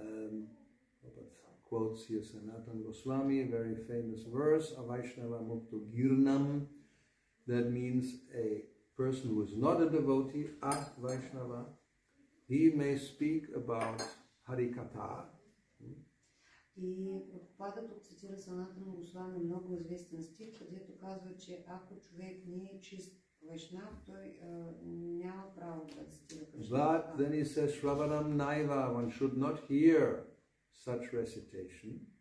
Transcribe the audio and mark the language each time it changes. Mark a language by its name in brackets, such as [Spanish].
[English] Prabhupada quotes here Sanatan Goswami, a very famous verse, [Sanskrit] Avaishnava Mukto Girnam. [English] That means a person who is not a devotee, a Vaishnava, he may speak about Harikatha. [Bulgarian] И Prabhupada тук цитира Sanatan Goswami много известен стих, където казва, че ако човек не е чист Вайшнав, той няма право да цитира Кришна. [English] But then he says, [Sanskrit] Shravanam Naiva, [English] one should not hear such recitation.